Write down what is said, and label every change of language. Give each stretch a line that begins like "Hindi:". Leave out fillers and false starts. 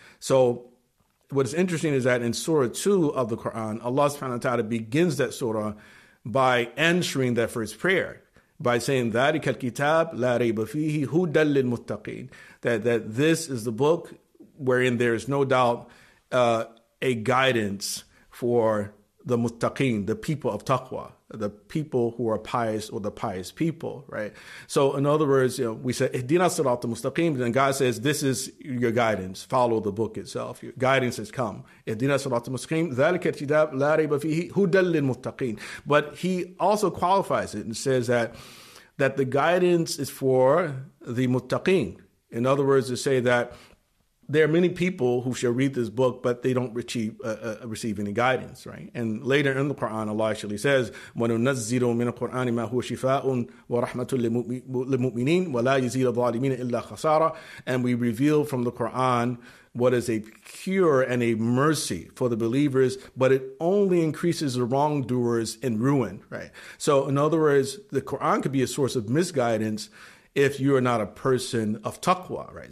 English: So what is interesting is that in Surah 2 of the Quran, Allah subhanahu wa ta'ala begins that surah by answering that first prayer, by saying, ذَٰلِكَ الْكِتَابِ لَا رَيْبَ فِيهِ هُدًى لِلْمُتَّقِينَ, that this is the book wherein there is no doubt a guidance for the muttaqeen, the people of taqwa, the people who are pious, or the pious people, right? So in other words, you know, we say, اهدنا الصراط المستقيم, and God says, this is your guidance, follow the book itself. Your guidance has come.
Arabic: اهدنا الصراط المستقيم, ذلك الكتاب لا ريب فيه, هدى للمتقين.
English: But he also qualifies it and says that the guidance is for the muttaqeen. In other words, to say that there are many people who shall read this book, but they don't receive any guidance, right?
Arabic: And later in the Quran, Allah actually says, وَنُنَزِّلُ مِنَ الْقُرْآنِ مَا هُوَ شِفَاءٌ وَرَحْمَةٌ لِلْمُؤْمِنِينَ وَلَا يَزِيدُ الظَّالِمِينَ إِلَّا خَسَارًا.
English: And we reveal from the Quran what is a cure and a mercy for the believers, but it only increases the wrongdoers in ruin, right? So in other words, the Quran could be a source of misguidance if you are not a person of taqwa, right?